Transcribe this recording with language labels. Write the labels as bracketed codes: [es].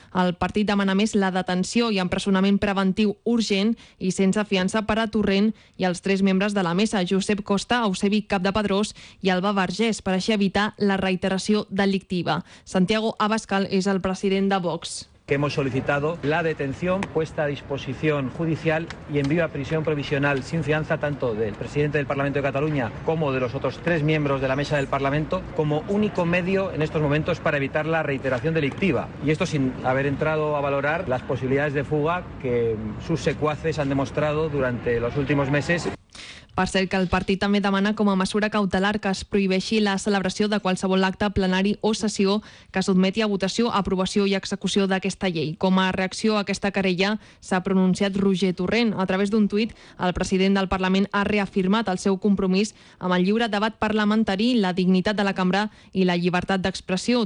[ca] El partit demana més la detenció i empresonament preventiu urgent i sense fiança per a Torrent i els tres membres de la mesa, Josep Costa, Eusebi Capdepadrós i Alba Vergés, per així evitar la reiteració delictiva. Santiago Abascal és el president de Vox. [es] que hemos solicitado la detención, puesta a disposición judicial y envío a prisión provisional sin fianza tanto del presidente del Parlamento de Cataluña como de los otros tres miembros de la mesa del Parlamento como único medio en estos momentos para evitar la reiteración delictiva. Y esto sin haber entrado a valorar las posibilidades de fuga que sus secuaces han demostrado durante los últimos meses. [ca] Per cert, que el partit també demana com a mesura cautelar que es prohibeixi la celebració de qualsevol acte, plenari o sessió que s'admeti a votació, aprovació i execució d'aquesta llei. Com a reacció a aquesta querella s'ha pronunciat Roger Torrent. A través d'un tuit, el president del Parlament ha reafirmat el seu compromís amb el lliure debat parlamentari, la dignitat de la cambra i la llibertat d'expressió.